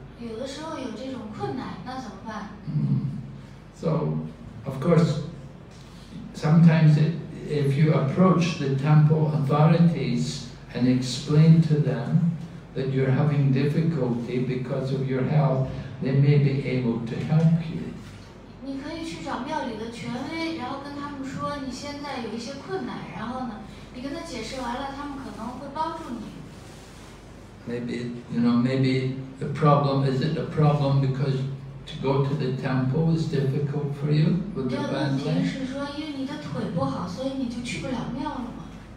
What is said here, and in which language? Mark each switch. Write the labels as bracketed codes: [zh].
[zh] 有的时候有这种困难，那怎么办？ [en] So, of course, sometimes if you approach the temple authorities and explain to them that you're having difficulty because of your health, they may be able to help you. [zh] 你可以去找庙里的权威，然后跟他们说你现在有一些困难，然后呢，你跟他解释完了，他们可能会帮助你。 [en] Maybe the problem, is it a problem because to go to the temple is difficult for you with the bad leg? [zh] 对，问题是说因为你的腿不好，所以你就去不了庙了吗？